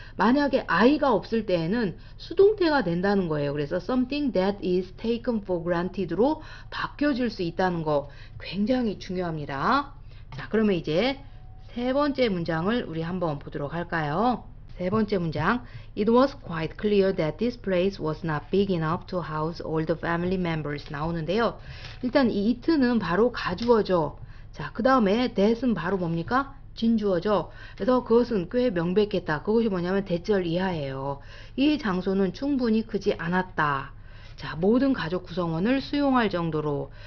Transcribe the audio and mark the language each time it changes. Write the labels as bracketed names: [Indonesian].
[Korean] 만약에 I가 없을 때에는 수동태가 된다는 거예요. 그래서 [English] something that is taken for granted [Korean] 로 바뀌어질 수 있다는 거 굉장히 중요합니다. 자, 그러면 이제 세 번째 문장을 우리 한번 보도록 할까요? 세 번째 문장. [English] It was quite clear that this place was not big enough to house all the family members. [Korean] 나오는데요. 일단 이 it는 바로 가주어죠. 자, 그 다음에 that은 바로 뭡니까? 진주어죠. 그래서 그것은 꽤 명백했다. 그것이 뭐냐면 대절 이하예요. 이 장소는 충분히 크지 않았다. 자, 모든 가족 구성원을 수용할 정도로.